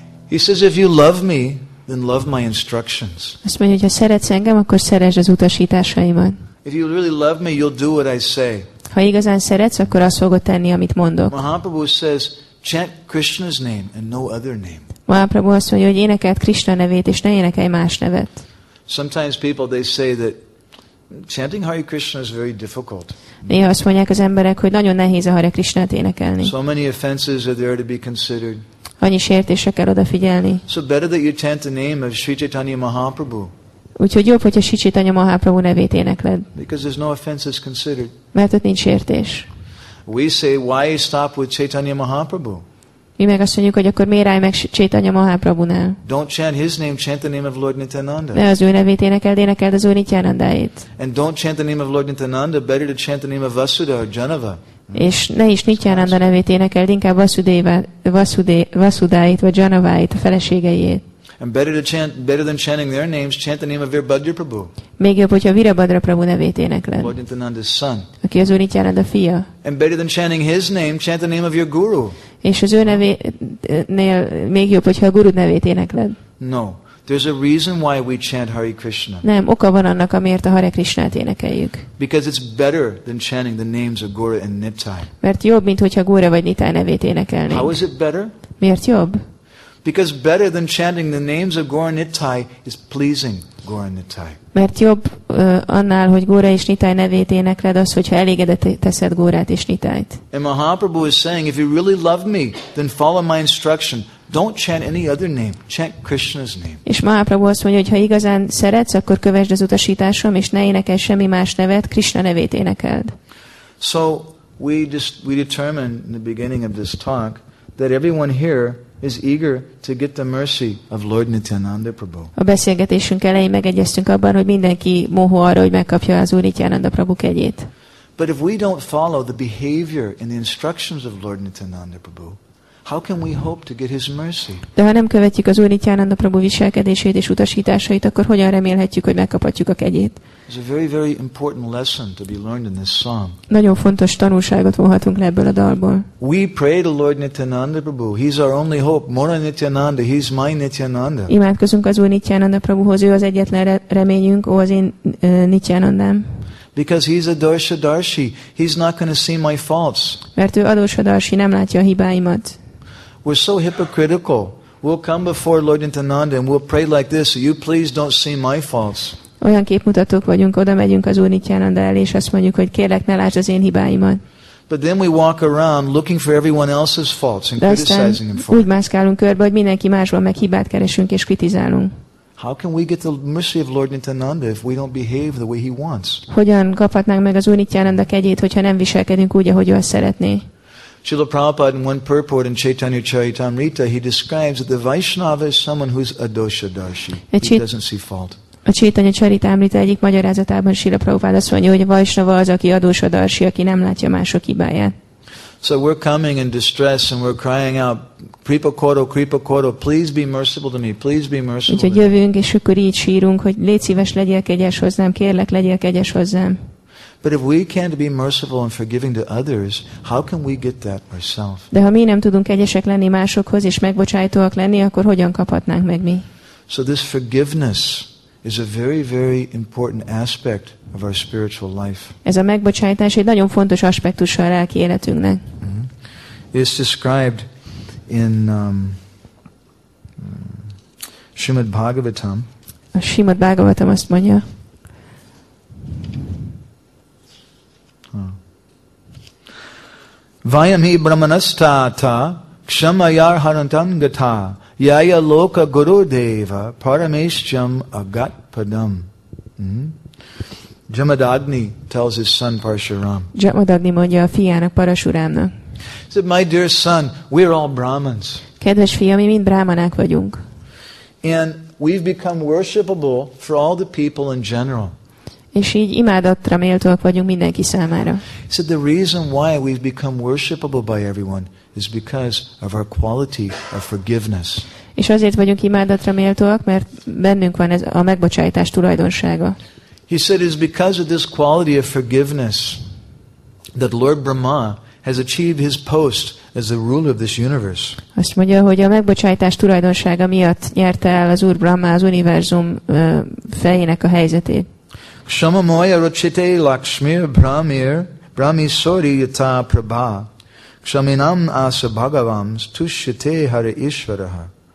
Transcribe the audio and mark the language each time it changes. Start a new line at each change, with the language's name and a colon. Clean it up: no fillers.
English: He says, if you love me, then love my instructions.
Hungarian: Azt mondja, hogy ha szeretsz engem, akkor szeresd az utasításaimat.
English: If you really love me, you'll do what I say.
Hungarian: Ha igazán szeretsz, akkor azt fogod tenni, amit mondok.
English: Mahaprabhu says, chant Krishna's name and no other name.
Hungarian: Mahaprabhu azt mondja, hogy énekeld Krishna nevét, és ne énekelj más nevet.
English: Sometimes people, they say that chanting Hare Krishna is very difficult.
Hungarian: Néha azt mondják az emberek, hogy nagyon nehéz a Hare Krishnát énekelni.
English: So many offenses are there to be considered.
Hungarian: Annyi sértésre kell odafigyelni.
English: So better that you chant the name of Sri Chaitanya Mahaprabhu.
Hungarian: Úgyhogy jobb, hogyha Sri Chaitanya Mahaprabhu nevét énekled.
English: Because there's no offenses considered.
Hungarian: Mert ott nincs sértés.
English: We say, why stop with Chaitanya Mahaprabhu?
Hungarian: Mi meg azt mondjuk, hogy akkor miért állj meg Chaitanya Mahaprabhunál?
English: Don't chant his name, chant the name of Lord Nityananda.
Hungarian: Ne az ő nevét énekeld az Úr Nityánandáit.
English: And don't chant the name of Lord Nityananda, better to chant the name of Vasudha or Janava.
Hungarian: És ne is Nityananda nevét énekeld, inkább Vasudáit vagy Janavait, a feleségeit.
English: And better than chanting their names, chant the name of Virabhadra Prabhu.
Hungarian: Még jobb, hogyha Virabhadra Prabhu nevét énekled.
English: Lord Nityananda's son.
Hungarian: Aki az Úr Nityananda fia.
English: And better than chanting his name, chant the name of your guru.
Hungarian: És az ő nevénél még jobb, hogyha a guru nevét énekled.
English: No, there's a reason why we chant Hare Krishna.
Hungarian: Nem, oka van annak, amiért a Hare Krishnát énekeljük.
English: Because it's better than chanting the names of Gaura and Nittai.
Hungarian: Mert jobb, mint hogyha Gaura vagy Nittai nevét énekelnénk.
English: How is it better?
Hungarian: Miért jobb?
English: Because better than chanting the names of Gaura Nittai is pleasing Gaura Nittai.
Hungarian: Mert jobb annál, hogy Gaura és Nittai nevét énekled, az, hogyha elégedet teszed Gaurát és Nittait.
English: And Mahaprabhu is saying, if you really love me, then follow my instruction. Don't chant any other name. Chant Krishna's name.
Hungarian: És Mahaprabhu azt mondja, hogy ha igazán szeretsz, akkor kövesd az utasításom, és ne énekelj semmi más nevet, Krishna nevét énekeld.
English: So we determined in the beginning of this talk that everyone here is eager to get the mercy of Lord Nityananda Prabhu.
Hungarian: A beszélgetésünk elején megegyeztünk abban, hogy mindenki mohó arra, hogy megkapja az Úr Nityananda Prabhu kegyét.
English: But if we don't follow the behavior and the instructions of Lord Nityananda Prabhu, how can we hope to get his mercy?
Hungarian: De ha nem követjük az Úr Nityananda Prabhu viselkedését és utasításait, akkor hogyan remélhetjük, hogy megkaphatjuk a kegyét?
English: It's a very, very important lesson to be learned in this song.
Hungarian: Nagyon fontos tanulságot vonhatunk le ebből a dalból.
English: We pray to Lord Nityananda Prabhu. He's our only hope. Mora Nityananda, he's my Nityananda.
Hungarian: Imádkozunk az Úr Nityananda Prabhuhoz, ő az egyetlen reményünk, ő az én Nityanandám.
English: Because he's a dorsa darshi, he's not going to see my faults.
Hungarian: Mert ő adorsa darshi, nem látja a hibáimat.
English: We're so hypocritical. We'll come before Lord Nityananda and we'll pray like this, you please don't see my faults.
Hungarian: Olyan képmutatók vagyunk, oda megyünk az Úr Nityananda elé, és azt mondjuk, hogy kérlek, ne lásd az én hibáimat.
English: But then we walk around looking for everyone else's faults and criticizing him for.
Hungarian: Úgy mászkálunk körbe, hogy mindenki másban meg hibát keresünk és kritizálunk.
English: How can we get the mercy of Lord Nityananda if we don't behave the way he wants?
Hungarian: Hogyan kaphatnánk meg az Úr Nityananda kegyét, hogyha nem viselkedünk úgy, ahogy ő azt szeretné?
English: Srila Prabhupada in one purport in Chaitanya Charitamrita, he describes that the Vaishnava is someone who's adosha darshi. He doesn't see fault.
Hungarian: A Chaitanya Charitamrita egyik magyarázatában Srila Prabhupada azt mondja, hogy a Vaishnava az, aki adosha darshi, aki nem látja mások hibáját.
English: So we're coming in distress and we're crying out,
Bangla: Kripa Koro,
English: please be merciful to me, please be merciful.
Hungarian: Úgyhogy jövünk, és akkor így sírunk, hogy légy szíves, legyél kegyes hozzám, kérlek, legyél kegyes hozzám.
English: But if we can't be merciful and forgiving to others, how can we get that ourselves?
Hungarian: De ha mi nem tudunk kegyesek lenni másokhoz és megbocsájtóak lenni, akkor hogyan kaphatnánk meg mi?
English: So this forgiveness is a very, very important aspect of our spiritual life.
Hungarian: Ez a megbocsájtás egy nagyon fontos aspektus a lelki életünknek.
English: It's described in Srimad Bhagavatam.
Hungarian: A Srimad Bhagavatam azt mondja.
Sanskrit: Vayami brahmanastha ta kshamayar harantam gatha yaya loka guru deva parameshyam agat padam.
English: Jamadagni tells his son Parashuram.
Hungarian: Jamadagni mondja a fiának Parashuramnak.
English: He said, my dear son, we're all Brahmins.
Hungarian: Kedves fiam, mi mind brahmanák vagyunk.
English: And we've become worshipable for all the people in general.
Hungarian: És így imádatra méltóak vagyunk mindenki számára.
English: So the reason why we've become worshipable by everyone is because of our quality of forgiveness.
Hungarian: És azért vagyunk imádatra méltóak, mert bennünk van ez a megbocsátás tulajdonsága.
English: He said it's because of this quality of forgiveness that Lord Brahma has achieved his post as the ruler of this universe.
Hungarian: Azt mondja, hogy a megbocsátás tulajdonsága miatt nyerte el az Úr Brahma az univerzum fejének a helyzetét.
Sanskrit: Shama moya rochite lakshmir brahmir brahmi sori yata prabha kshaminam asa bhagavams tushite hari ishvarah.